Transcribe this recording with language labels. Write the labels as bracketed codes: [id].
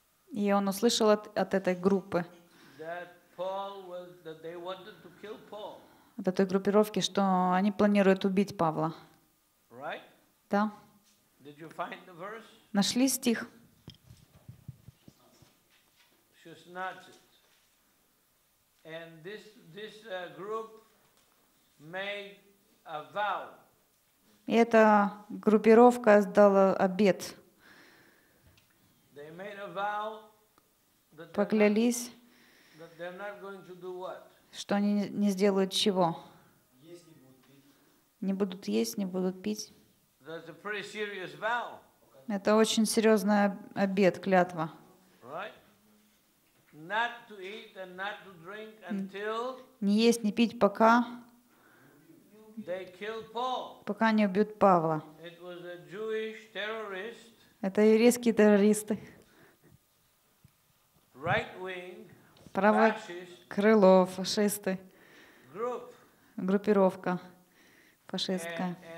[ru] И он услышал от этой группы. [en] That they wanted to kill Paul. [ru] От этой группировки, что они планируют убить Павла. [en] Right? [ru] Да. [en] Did you find the verse? [ru] Нашли стих? [en] 16. And this group made a vow. [ru] И эта группировка сдала обет. [en] They made a vow that [ru] поклялись, [en] that they're not going to do what? [ru] Что они не сделают чего? Есть, не будут пить. Не будут есть, не будут пить. [en] A pretty serious vow. [ru] Это очень серьезный обет, клятва. [en] Right? Not to eat and not to drink until [ru] не есть, не пить, пока [en] they kill Paul. [ru] Пока не убьют Павла. [en] It was a Jewish terrorist. [ru] Это еврейские террористы. [en] Right-wing. [ru] Правое крыло, фашисты, группировка фашистская.